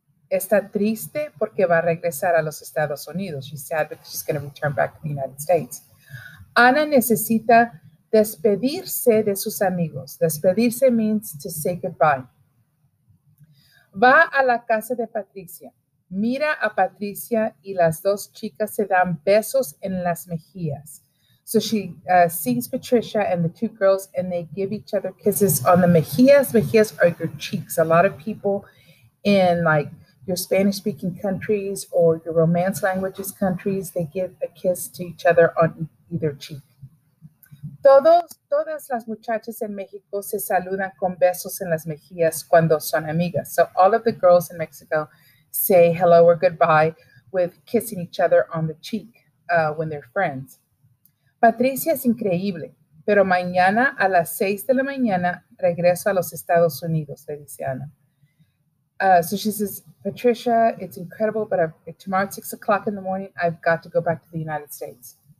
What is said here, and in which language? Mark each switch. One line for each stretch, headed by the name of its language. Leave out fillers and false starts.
Spanish: Está triste porque va a regresar a los Estados Unidos.
English: She's sad because she's going to return back to the United States.
Spanish: Ana necesita despedirse de sus amigos. Despedirse
English: means to say goodbye.
Spanish: Va a la casa de Patricia. Mira a Patricia y las dos chicas se dan besos en las mejillas.
English: So she sees Patricia and the two girls and they give each other kisses on the mejillas. Mejillas are your cheeks. A lot of people in like your Spanish-speaking countries or your Romance languages countries, they give a kiss to each other on either cheek.
Spanish: Todas las muchachas en México se saludan con besos en las mejillas cuando son amigas.
English: So all of the girls in Mexico say hello or goodbye with kissing each other on the cheek when they're friends.
Spanish: Patricia es increíble, pero mañana a las 6 de la mañana regreso a los Estados Unidos, le dice Ana.
English: So she says, Patricia, it's incredible, but tomorrow at 6 o'clock in the morning, I've got to go back to the United States.